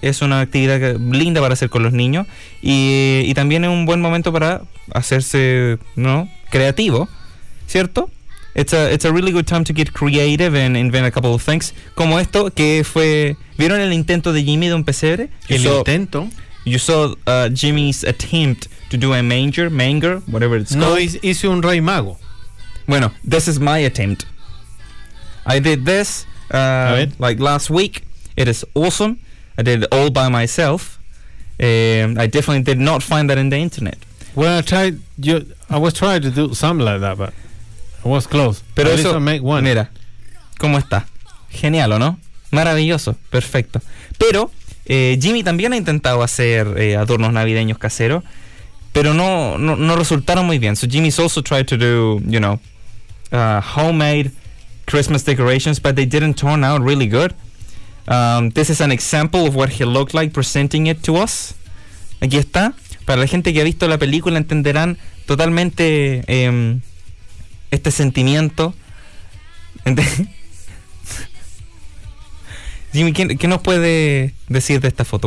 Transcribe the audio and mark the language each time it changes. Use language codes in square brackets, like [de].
[es] Es una actividad linda para hacer con los niños. Y también es un buen momento para hacerse, ¿no?, creativo, ¿cierto? [en] It's a really good time to get creative and invent a couple of things. [es] Como esto, que fue... ¿Vieron el intento de Jimmy de un pesebre? ¿El intento? [en] You saw Jimmy's attempt to do a manger, whatever it's called. [es] No, hice un rey mago. [en] Bueno, this is my attempt. I did this like last week. It is awesome. I did it all by myself. I definitely did not find that in the internet. Well, I was trying to do something like that, but I was close. [es] Pero eso, [en] at least I make one. [es] Mira, ¿cómo está? Genial, ¿no? Maravilloso, perfecto. Pero... Jimmy también ha intentado hacer adornos navideños caseros, pero no resultaron muy bien. [en] So Jimmy's also tried to do, you know, homemade Christmas decorations, but they didn't turn out really good. This is an example of what he looked like presenting it to us. [es] Aquí está. Para la gente que ha visto la película entenderán totalmente este sentimiento. Jimmy, ¿qué nos puede decir de esta foto?